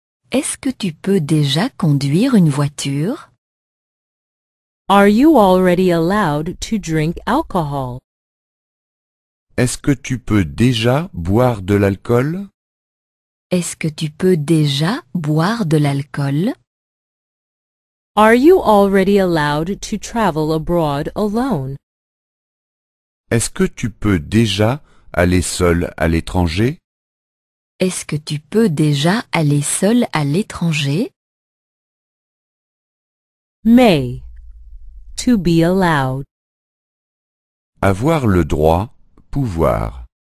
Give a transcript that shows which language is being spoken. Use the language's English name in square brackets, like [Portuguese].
[French] Est-ce que tu peux déjà conduire une voiture? [English] Are you already allowed to drink alcohol? [French] Est-ce que tu peux déjà boire de l'alcool? Est-ce que tu peux déjà boire de l'alcool? [English] Are you already allowed to travel abroad alone? [French] Est-ce que tu peux déjà aller seul à l'étranger? Est-ce que tu peux déjà aller seul à l'étranger? [English] May. To be allowed. [French] Avoir le droit, pouvoir.